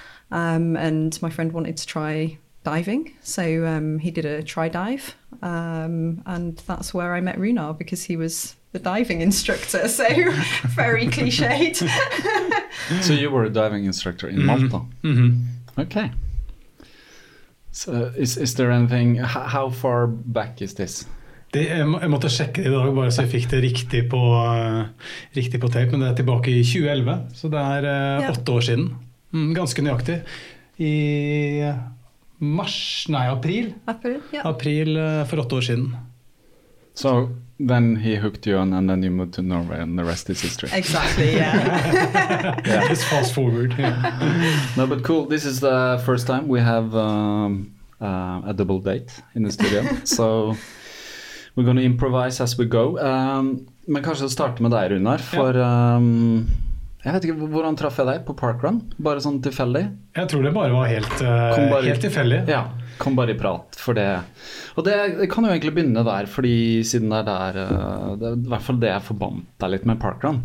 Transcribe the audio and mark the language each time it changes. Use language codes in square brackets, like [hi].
[en] And my friend wanted to try diving, so he did a try dive, and that's where I met Runar, because he was the diving instructor, so very cliched. So you were a diving instructor in Malta? Mm-hmm. Okay. So is there anything, how far back is this? [no] Jeg måtte sjekke det i dag, bare så jeg fikk det riktig på tape, men det er tilbake i 2011, så det er 8 år siden. Ganske nøyaktig. I april. April for 8 år siden. [en] So then he hooked you on and then you moved to Norway and the rest is history. Exactly, yeah. Yeah. Just fast forward. Yeah. No, but cool. This is the first time we have a double date in the studio. So we're going to improvise as we go. [no] Men kanskje å starte med deg, Runar, for... Jeg vet ikke, hvordan traff jeg deg på parkrun? Bare sånn tilfeldig? Jeg tror det bare var helt tilfeldig. Ja, kom bare i prat for det. Og det kan jo egentlig begynne der, fordi siden det er der, det er i hvert fall det jeg forbandt deg litt med parkrun.